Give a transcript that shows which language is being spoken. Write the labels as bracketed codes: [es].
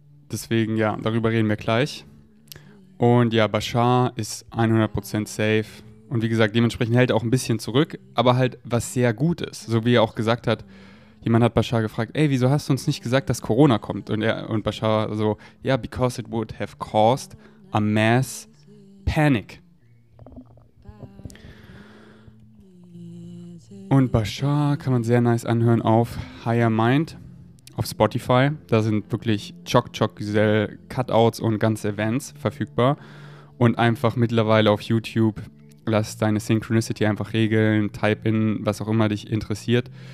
[de] Deswegen, ja, darüber reden wir gleich. Und ja, Bashar ist [en] 100% safe. [de] Und wie gesagt, dementsprechend hält er auch ein bisschen zurück, aber halt, was sehr gut ist. So wie er auch gesagt hat, jemand hat Bashar gefragt, ey, wieso hast du uns nicht gesagt, dass Corona kommt? Und er und Bashar so, ja, [en] yeah, because it would have caused a mass panic. [de] Und Bashar kann man sehr nice anhören auf Higher Mind, auf Spotify. Da sind wirklich [tr] Chock-Chock-Güzel- [de] Cutouts und ganze Events verfügbar. Und einfach mittlerweile auf YouTube, lass deine Synchronicity einfach regeln, [en] type in, [de] was auch immer dich interessiert.